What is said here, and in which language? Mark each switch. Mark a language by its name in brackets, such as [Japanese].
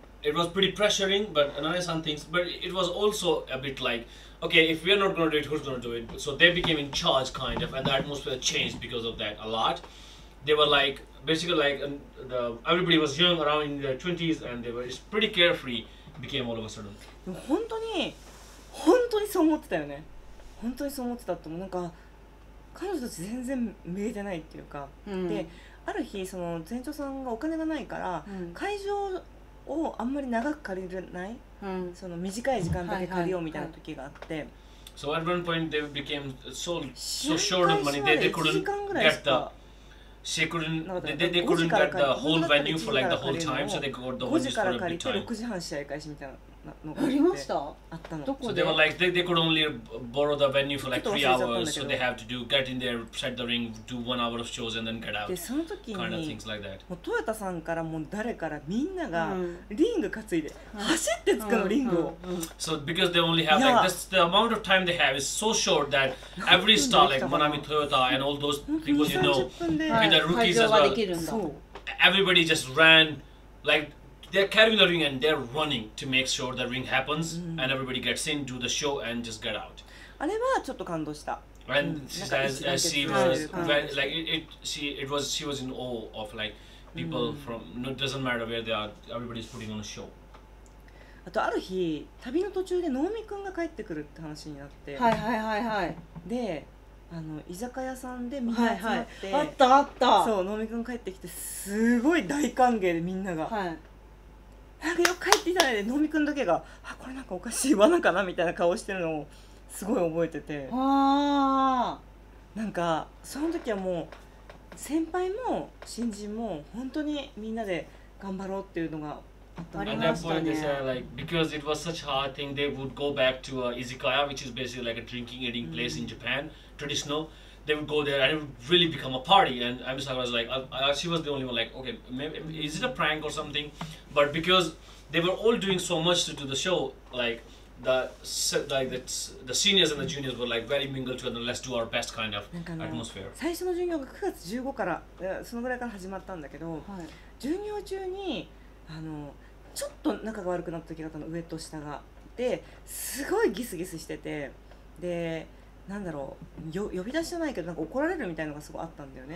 [English] It was pretty pressuring, but Nana-san thinks, but it was also a bit like, okay, if we're not going to do it, who's going to do it? So they became in charge, kind of, and the atmosphere changed because of that a lot. They were like, basically like, everybody was young, around in their 20s, and they were pretty carefree, became all of a sudden. [Japanese] 本当に、本当にそう思ってたよね。本当にそう思ってたって、なんか、彼女たち全然見えてないっていうか。で、ある日、その前長さんがお金がないから、会場、をあんまり長く借りれない、うん、その短い時間だけ借りようみたいな時があって、 [English] はいはいはい、So at one point they became so, so short of money they couldn't get the she couldn't they couldn't get the whole venue for like the whole time so they got the whole [Japanese] time 5時から借りて6時半試合開始みたいなのがあって、ありました？あったの。どこで？ [English] So they were like they could only borrow the venue for like 3 hours so they have to do get in there set the ring do 1 hour of shows and then get out [Japanese] でその時に [English] kind of things like that. [Japanese] もうトヨタさんからもう誰からみんながリング担いで、うん、走って使うリングを、うんうんうん、 [English] So because they only have like this the amount of time they have is so short that every star like Manami Toyota and all those people you know with the rookies as well [Japanese] そう [English] everybody just ran likeThey're carrying the ring and they're running to make sure the ring happens、うん、and everybody gets in, do the show and just get out. [Japanese] あれはちょっと感動した。 [English] And she says, she was like, she was in awe of like people、うん、from, no, it doesn't matter where they are, everybody's putting on a show. [Japanese] あとある日、旅の途中で能見くんが帰ってくるって話になって。はいはいはいはい。で、あの居酒屋さんでみんな集まって、はいはい、あったあった。そう、能見くん帰ってきてすごい大歓迎でみんなが。はい。なんかよく帰っていただいて、のみくんだけが、あ、これなんかおかしい罠かなみたいな顔してるのをすごい覚えてて。あー。なんか、その時はもう、先輩も新人も本当にみんなで頑張ろうっていうのがあったんですよね。 [English] And that point they said, like, because it was such a hard thing, they would go back to Izakaya, which is basically like a drinking, eating place in Japan, traditional. They would go there and it would really become a party. And I was like, she was the only one like, okay, maybe, is it a prank or something? But because they were all doing so much to do the show, like the seniors and the juniors were like very mingled together, let's do our best kind of atmosphere. [Japanese] 最初の授業が9月15から、そのぐらいから始まったんだけど、はい、授業中にあのちょっと仲が悪くなった時があったの、上と下が。で、すごいギスギスしてて、で、なんだろう、呼び出しじゃないけどなんか怒られるみたいのがすごいあったんだよね、